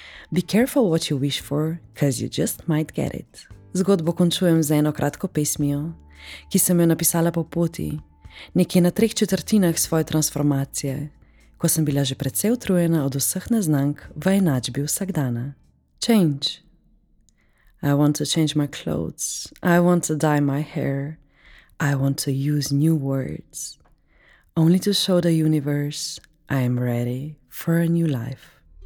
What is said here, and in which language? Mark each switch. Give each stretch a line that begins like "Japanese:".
English: Be careful what you wish for, 'cause you just might get it.
Slovenian: Zgodbo končujem z eno kratko pesmijo, ki sem jo napisala po poti, nekje na 3/4 svoje transformacije, ko sem bila že precej utrujena od vseh neznank v enačbi vsakdana.
English: Change. I want to change my clothes. I want to dye my hair. I want to use new words. Only to show the universe I am ready for a new life.